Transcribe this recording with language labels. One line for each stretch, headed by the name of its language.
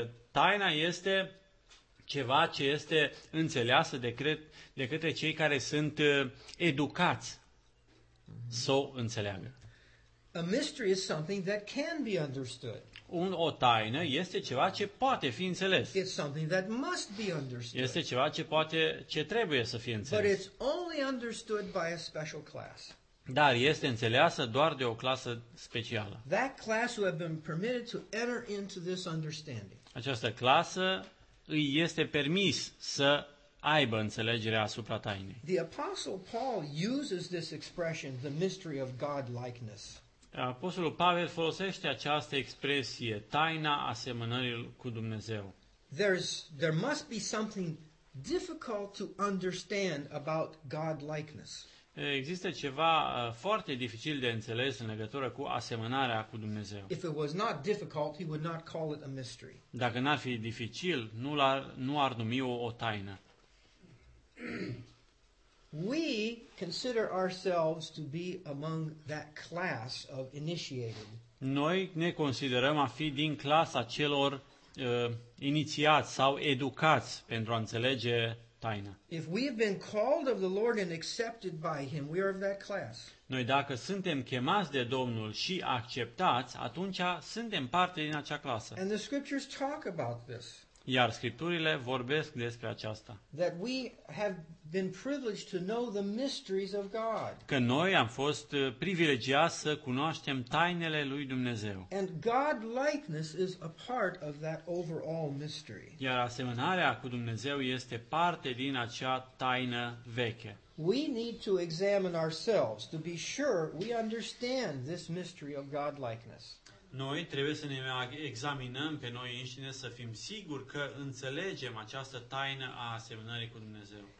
Romanian: Taina este ceva ce este înțeleasă de către cei care sunt educați să o înțeleagă.
English: A mystery is something that can be understood.
Romanian: O taină este ceva ce poate fi înțeles.
English: It's something that must be understood.
Romanian: Este ceva ce trebuie să fie înțeles.
English: But it's only understood by a special class.
Romanian: Dar este înțeleasă doar de o clasă specială.
English: That class who have been permitted to enter into this understanding.
Romanian: Această clasă îi este permis să aibă înțelegerea asupra tainei.
English: The Apostle Paul uses this expression, the mystery of God likeness.
Romanian: Apostolul Pavel folosește această expresie, taina asemănării cu Dumnezeu.
English: There must be something difficult to understand about God-likeness.
Romanian: Există ceva foarte dificil de înțeles în legătură cu asemănarea cu Dumnezeu.
English: If it was not difficult, he would not call it a mystery.
Romanian: Dacă n-ar fi dificil, nu ar numi o taină.
English: We consider ourselves to be among that class of initiated.
Romanian: Noi ne considerăm a fi din clasa celor inițiați sau educați pentru a înțelege taina.
English: If we have been called of the Lord and accepted by him, we are of that class.
Romanian: Noi dacă suntem chemați de Domnul și acceptați, atunci suntem parte din acea clasă.
English: And the scriptures talk about this.
Romanian: Iar scripturile vorbesc despre aceasta.
English: That we have been privileged to know the mysteries of God.
Romanian: Că noi am fost privilegiați să cunoaștem tainele lui Dumnezeu.
English: And God-likeness is a part of that overall mystery.
Romanian: Iar asemănarea cu Dumnezeu este parte din acea taină veche.
English: We need to examine ourselves to be sure we understand this mystery of God-likeness.
Romanian: Noi trebuie să ne examinăm pe noi înșine să fim siguri că înțelegem această taină a asemănării cu Dumnezeu.